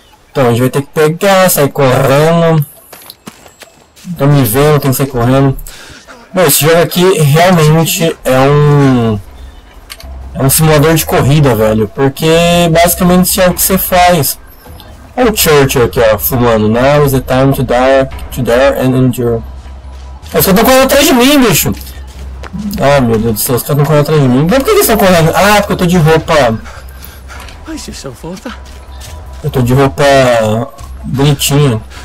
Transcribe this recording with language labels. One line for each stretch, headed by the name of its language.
Portuguese: Então, a gente vai ter que pegar, sair correndo. Tô me vendo, tenho que sair correndo. Bom, esse jogo aqui realmente é um simulador de corrida, velho. Porque basicamente isso é o que você faz. É o Churchill aqui, ó, fumando.
English: Now is the time to dare and endure.
Portuguese: Os caras estão correndo atrás de mim, bicho. Ah, meu Deus do céu, os caras estão correndo atrás de mim. Mas por que eles estão correndo? Ah, porque eu tô de roupa. Eu tô de roupa bonitinha.